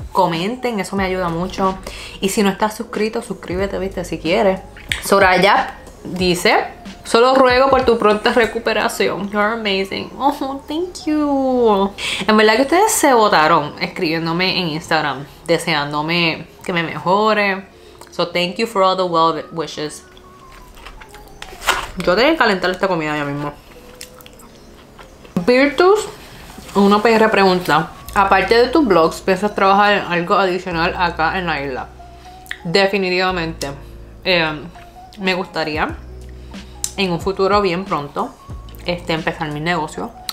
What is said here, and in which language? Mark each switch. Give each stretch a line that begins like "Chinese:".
Spanish: comenten, eso me ayuda mucho. Y si no estás suscrito, suscríbete, viste, si quieres. Soraya dice: solo ruego por tu pronta recuperación.
English: You're amazing. Oh, thank you.
Spanish: En verdad que ustedes se botaron escribiéndome en Instagram, deseándome que me mejore.
English: So thank you for all the well wishes.
Spanish: Yo tengo que calentar esta comida ya mismo. Virtus, una PR pregunta. Aparte de tus blogs, ¿piensas trabajar en algo adicional acá en la isla? Definitivamente. Me gustaría, en un futuro bien pronto, empezar mi negocio.